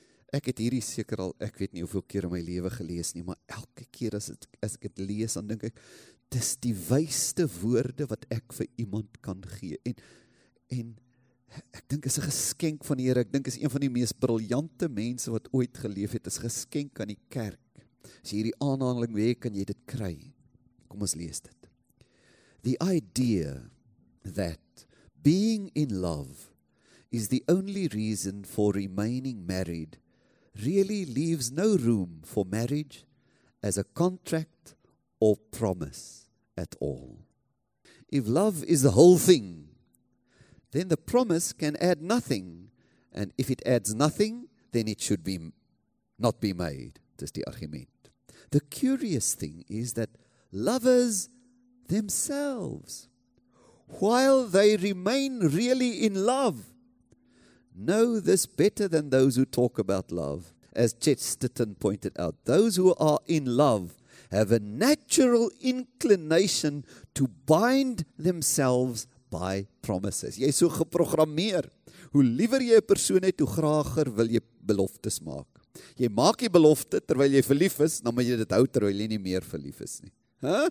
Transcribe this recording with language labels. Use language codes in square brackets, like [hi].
[af] Ek het hierdie seker al, ek weet nie hoeveel keer in my lewe gelees nie, maar elke keer as ek het lees, dan dink ek, dis die wysste woorde wat ek vir iemand kan gee. En ek dink is 'n geskenk van die Here, ek dink is een van die mees briljante mense wat ooit geleef het, is geskenk aan die kerk. As jy hierdie aanhaling wil hê, kan jy dit kry. Kom ons lees dit. [en] The idea that being in love is the only reason for remaining married really leaves no room for marriage as a contract or promise at all. If love is the whole thing, then the promise can add nothing. And if it adds nothing, then it should be not be made. [af] Dis die argument. [en] The curious thing is that lovers themselves, while they remain really in love, know this better than those who talk about love. As Chesterton pointed out, those who are in love have a natural inclination to bind themselves by promises. [af] Jy is so geprogrammeer. Hoe liever jy 'n persoon het, hoe grager wil jy beloftes maak. Jy maak die belofte terwyl jy verlief is, dan moet jy dit hou terwyl jy nie meer verlief is nie.